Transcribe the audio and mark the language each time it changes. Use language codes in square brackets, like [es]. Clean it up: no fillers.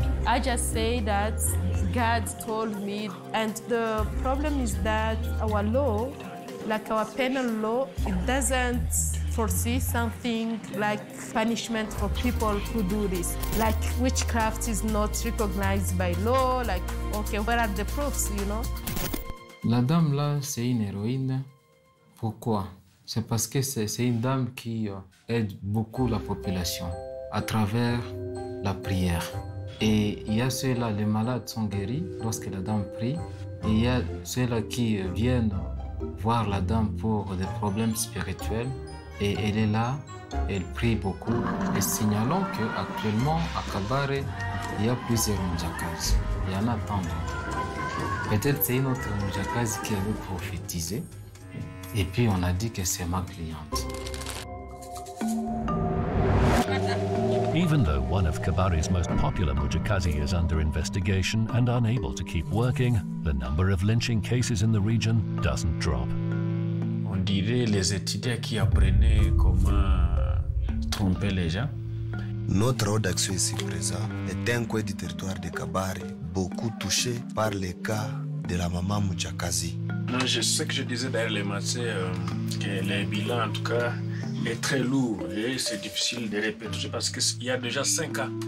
[en] I just say that God told me. And the problem is that our law, like our penal law, it doesn't foresee something like punishment for people who do this. Like witchcraft is not recognized by law. Like, okay, where are the proofs, you know? [fr] La dame là, c'est une héroïne. Pourquoi? C'est parce que c'est une dame qui aide beaucoup la population à travers la prière. Et il y a ceux-là, les malades sont guéris lorsque la dame prie. Et il y a ceux-là qui viennent voir la dame pour des problèmes spirituels et elle est là, elle prie beaucoup et signalons qu'actuellement à Kabare, il y a plusieurs Mujakazi, il y en a tant d'autres. Peut-être c'est une autre Mujakazi qui avait prophétisé et puis on a dit que c'est ma cliente. [en] Even though one of Kabare's most popular Mujakazi is under investigation and unable to keep working, the number of lynching cases in the region doesn't drop. [fr] On dirait les étudiants qui apprenaient comment tromper les gens. Notre rôle d'action ici présent est un coin du territoire de Kabare, beaucoup touché par les cas de la maman Mujakazi. Non, je sais que je disais derrière les masses que les bilans, en tout cas, est très lourd et c'est difficile de répéter parce qu'il y a déjà 5 cas.